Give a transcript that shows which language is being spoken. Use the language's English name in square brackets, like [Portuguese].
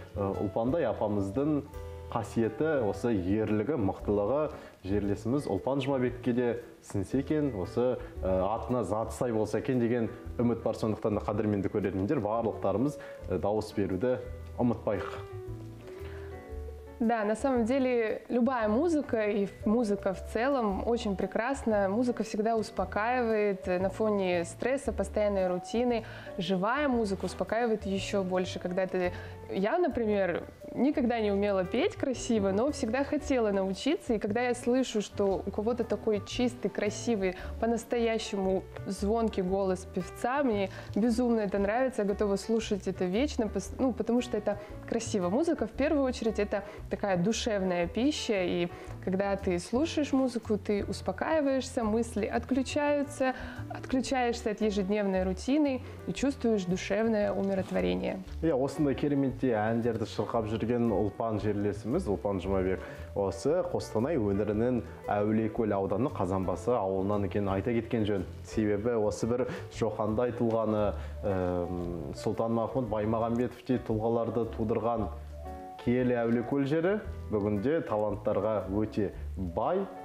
[Kazakh] Ұлпандай апамыздың қасиеті, осы ерлігі, мықтылығы жерлесіміз Ұлпан Жұмабекке де сінсе екен, осы атына заты сай болса екен деген үміт бар. Сондықтан да қадірменді көрермендер, барлықтарымыз дауыс беруді ұмытпайық. [Russian] Да, на самом деле любая музыка и музыка в целом очень прекрасна. Музыка всегда успокаивает на фоне стресса, постоянной рутины. Живая музыка успокаивает еще больше, когда ты... Я, например, никогда не умела петь красиво, но всегда хотела научиться. И когда я слышу, что у кого-то такой чистый, красивый, по-настоящему звонкий голос певца, мне безумно это нравится, я готова слушать это вечно, ну, потому что это красиво. Музыка, в первую очередь, это такая душевная пища, и когда ты слушаешь музыку, ты успокаиваешься, мысли отключаются, отключаешься от ежедневной рутины и чувствуешь душевное умиротворение. [Kazakh] Я осында кереметте әндерді шырқап жүрген Ұлпан жерлесіміз, Ұлпан Жұмабек, осы Қостанай өңірінің Әулиекөл ауданы Қазанбасы ауылынан екенін айта кеткен жөн. Себебі осы бір Шоқандай тұлғаны, Сұлтанмахмұт Баймағанбетовтей тұлғаларды тудырған киелі Әулиекөл жері бүгінде таланттарға өте бай.